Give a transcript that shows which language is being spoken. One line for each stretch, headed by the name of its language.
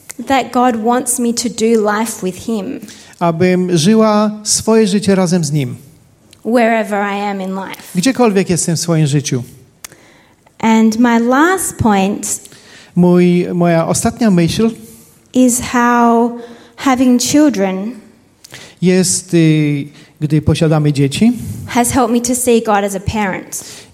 English: That God wants me to do life with Him.
Polish: Abym żyła swoje życie razem z Nim.
English: Wherever I am in life.
Polish: Gdziekolwiek jestem w swoim życiu.
English: And my last point.
Polish: Moja ostatnia myśl.
English: Is how having children.
Polish: Jest gdy posiadamy dzieci.
English: Has helped me to see God as a parent.